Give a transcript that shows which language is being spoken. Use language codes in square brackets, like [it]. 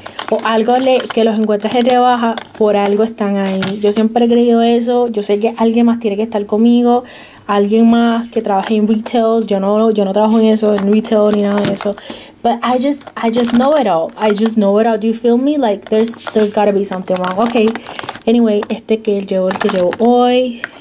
[es] O algo que los encuentras en rebaja, por algo están ahí. Yo siempre he creído eso. Yo sé que alguien más tiene que estar conmigo. Alguien más que trabaje en retail. Yo no trabajo en eso, en retail ni nada de eso. [en] But I just know it all. I just know it all. Do you feel me? Like, there's gotta be something wrong. Okay. [es] Anyway, este que llevo, el que llevo hoy.